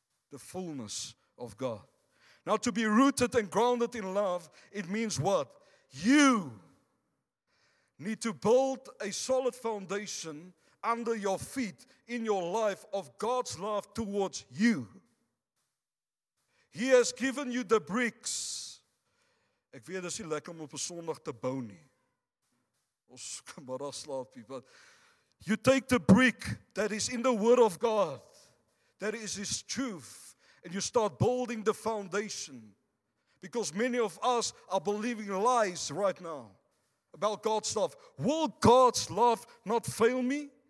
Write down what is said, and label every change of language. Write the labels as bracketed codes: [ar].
[en] The fullness of God. Now, to be rooted and grounded in love, it means what? You need to build a solid foundation under your feet in your life of God's love towards you. He has given you the bricks. [af] Ek weet, dis nie lekker om op 'n Sondag te bou nie. Ons kan maar slaap, people. [en] You take the brick that is in the Word of God, that is His truth, and you start building the foundation. Because many of us are believing lies right now about God's love. Will God's love not fail me?